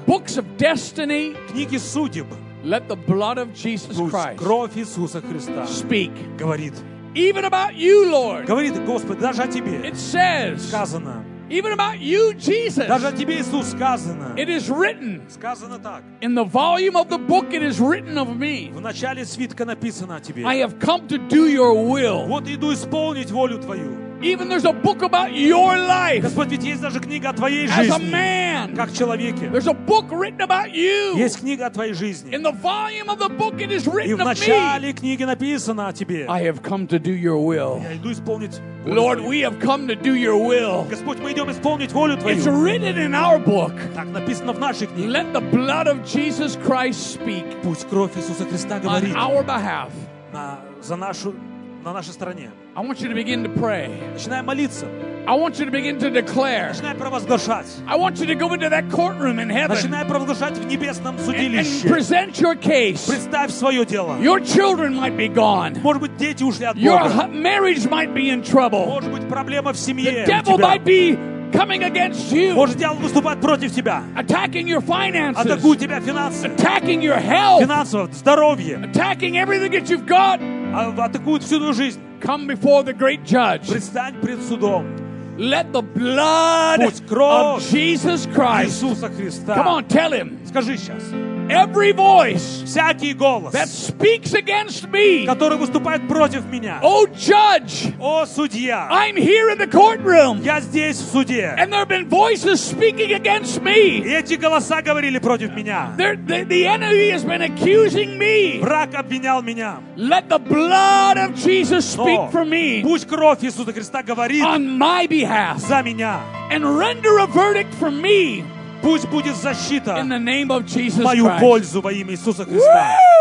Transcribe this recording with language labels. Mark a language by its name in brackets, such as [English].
[English] Books of destiny. [Russian] Книги судеб. [English] Let the blood of Jesus Christ. [Russian] Кровь Иисуса Христа. [English] Speak. [Russian] Говорит. [English] Even about you, Lord. [Russian] Говорит Господь даже о тебе. [English] It says. [Russian] Сказано. [English] Even about you, Jesus. [Russian] Даже о тебе, Иисус, сказано. [English] It is written. [Russian] Сказано так. [English] In the volume of the book, it is written of me. [Russian] В начале свитка написано о тебе. [English] I have come to do your will. [Russian] Вот иду исполнить волю твою. [English] Even there's a book about your life. [Russian] Господь, ведь есть даже книга о твоей жизни. [English] As a man. [Russian] Как человеке. [English] There's a book written about you. [Russian] Есть книга о твоей жизни. [English] In the volume of the book, it is written of me. [Russian] И в начале книги написано о тебе. [English] I have come to do your will. [Russian] Я иду исполнить. [English] Lord, we have come to do your will. [Russian] Господь, мы идем исполнить волю твою. [English] It's written in our book. [Russian] Так написано в нашей книге. [English] Let the blood of Jesus Christ speak. [Russian] Пусть кровь Иисуса Христа говорит. [English] On our behalf. [Russian] На нашей стороне. [English] I want you to begin to pray. [Russian] Начинай молиться. [English] I want you to begin to declare. [Russian] Начинай провозглашать. [English] I want you to go into that courtroom in heaven. [Russian] Начинай провозглашать в небесном судилище. [English] And present your case. [Russian] Представь свое дело. [English] Your children might be gone. [Russian] Может быть, дети ушли от Бога. [English] Your marriage might be in trouble. [Russian] Может быть, проблема в семье. [English] The devil might be coming against you. [Russian] Может, дьявол выступает против тебя. [English] Attacking your finances. [Russian] Атакует тебя финансы. [English] Attacking your health. [Russian] Финансово, здоровье. [English] Attacking everything that you've got. [Russian] Атакует всю твою жизнь. [English] Come before the great judge. [Russian] Предстань пред судом. [English] Let the blood of Jesus Christ. [Russian] Иисуса Христа. [English] Come on, tell him. [Russian] Скажи сейчас. [English] Every voice. [Russian] Всякий голос. [English] That speaks against me. [Russian] Который выступает против меня. [English] Oh judge. [Russian] О судья. [English] I'm here in the courtroom. [Russian] Я здесь в суде. [English] And there have been voices speaking against me. [Russian] И эти голоса говорили против меня. [English] The enemy has been accusing me. [Russian] Враг обвинял меня. [English] Let the blood of Jesus speak for me. [Russian] Пусть кровь Иисуса Христа говорит. [English] On my behalf. [Russian] За меня. [English] And render a verdict for me. [Russian] Пусть будет защита [English] in the name of Jesus [Russian] в мою [English] Christ. [Russian] Пользу во имя Иисуса Христа.